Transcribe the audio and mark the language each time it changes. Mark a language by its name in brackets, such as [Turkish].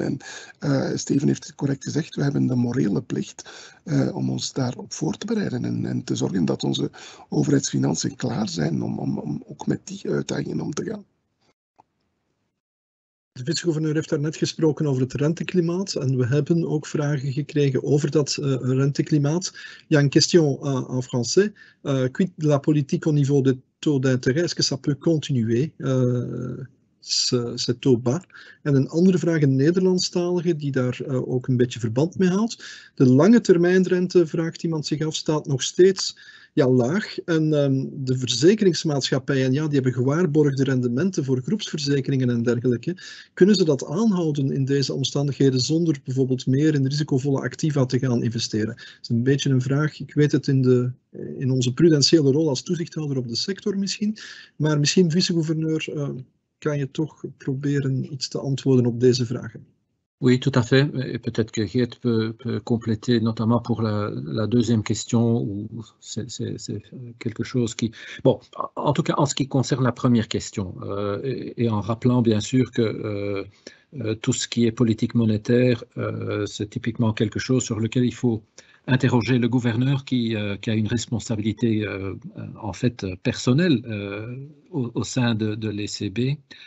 [Dutch] En Steven heeft het correct gezegd, we hebben de morele plicht om ons daarop voor te bereiden en te zorgen dat onze overheidsfinanciën klaar zijn om ook met die uitdagingen om te gaan. De vicegouverneur heeft daarnet gesproken over het renteklimaat en we hebben ook vragen gekregen over dat renteklimaat. Ja, een [French] question en français. Quid de la politique au niveau de taux d'intérêt? Est-ce que ça peut continuer, ce taux bas? [Dutch] En een andere vraag, een Nederlandstalige, die daar ook een beetje verband mee haalt. De lange termijnrente, vraagt iemand zich af, staat nog steeds laag. En de verzekeringsmaatschappijen, die hebben gewaarborgde rendementen voor groepsverzekeringen en dergelijke. Kunnen ze dat aanhouden in deze omstandigheden zonder bijvoorbeeld meer in risicovolle activa te gaan investeren? Dat is een beetje een vraag. Ik weet het in onze prudentiële rol als toezichthouder op de sector misschien. Maar misschien, vicegouverneur, kan je toch proberen iets te antwoorden op deze vragen. [French] Oui, tout à fait. Et peut-être que Geert peut compléter, notamment pour la deuxième question, ou c'est quelque chose qui... Bon, en tout cas, en ce qui concerne la première question, et en rappelant bien sûr que tout ce qui est politique monétaire, c'est typiquement quelque chose sur lequel il faut interroger le gouverneur qui a une responsabilité en fait personnelle au sein de l'ECB.